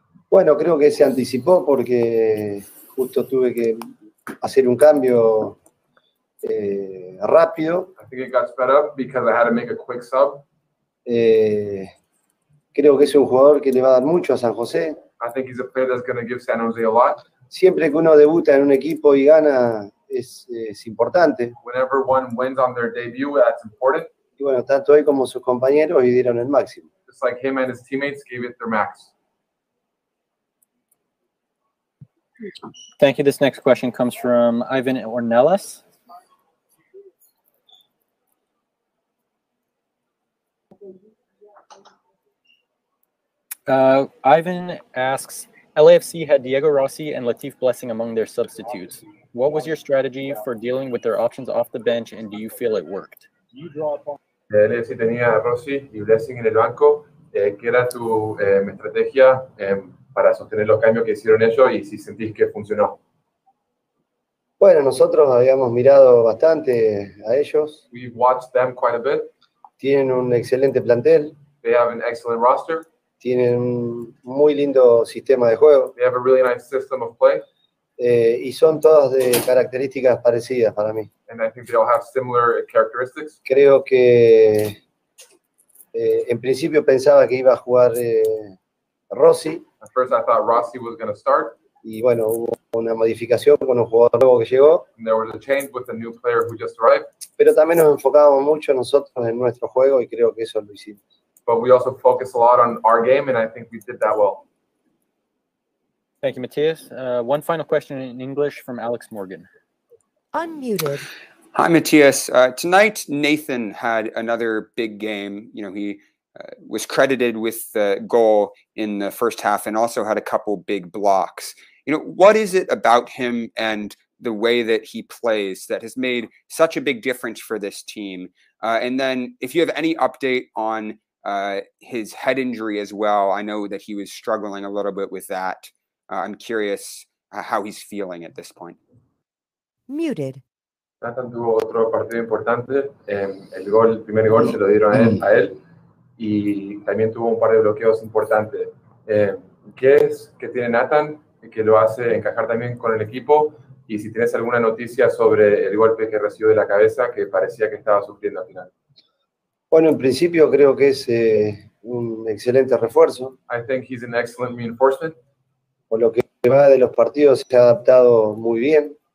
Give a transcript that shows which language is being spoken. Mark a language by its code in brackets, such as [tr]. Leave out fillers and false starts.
[es] Bueno, creo que se anticipó porque justo tuve que hacer un cambio rápido. [en] I think it got sped up because I had to make a quick sub. [es] Creo que es un jugador que le va a dar mucho a San José. [en] I think he's a player that's going to give San Jose a lot. [es] Siempre que uno debuta en un equipo y gana, es importante. [en] Whenever one wins on their debut, that's important. [es] Y bueno, tanto él como sus compañeros y dieron el máximo. [en] Just like him and his teammates gave it their max. Thank you. This next question comes from Ivan Ornelas. Ivan asks, LAFC had Diego Rossi and Latif Blessing among their substitutes. What was your strategy for dealing with their options off the bench, and do you feel it worked? [es] LAFC tenía Rossi y Blessing en el banco. ¿Qué era tu estrategia para sostener los cambios que hicieron ellos y si sentís que funcionó? Bueno, nosotros habíamos mirado bastante a ellos. [en] We've watched them quite a bit. [es] Tienen un excelente plantel. [en] They have an excellent roster. [es] Tienen un muy lindo sistema de juego. [en] They have a really nice system of play. [es] Y son todas de características parecidas para mí. [en] And I think they all have similar characteristics. [es] Creo que en principio pensaba que iba a jugar Rossi. [en] At first I thought Rossi was going to start. [es] Y bueno, hubo una modificación con un jugador nuevo que llegó. [en] And there was a change with a new player who just arrived. [es] Pero también nos enfocábamos mucho nosotros en nuestro juego y creo que eso lo hicimos. [en] But we also focus a lot on our game, and I think we did that well. Thank you, Matias. One final question in English from Alex Morgan. Unmuted. Hi, Matias. Tonight, Nathan had another big game. You know, he was credited with the goal in the first half and also had a couple big blocks. You know, what is it about him and the way that he plays that has made such a big difference for this team? And then if you have any update on his head injury as well. I know that he was struggling a little bit with that. I'm curious how he's feeling at this point. Muted. [es] Nathan tuvo otro partido importante. El gol, el primer gol se lo dieron a él. Y también tuvo un par de bloqueos importantes. ¿Qué es que tiene Nathan que lo hace encajar también con el equipo? Y si tienes alguna noticia sobre el golpe que recibió de la cabeza que parecía que estaba sufriendo al final. Bueno, en principio creo que es un excelente refuerzo. [en] I think he's an excellent reinforcement. [es] Por lo que va de los partidos, se ha adaptado muy bien.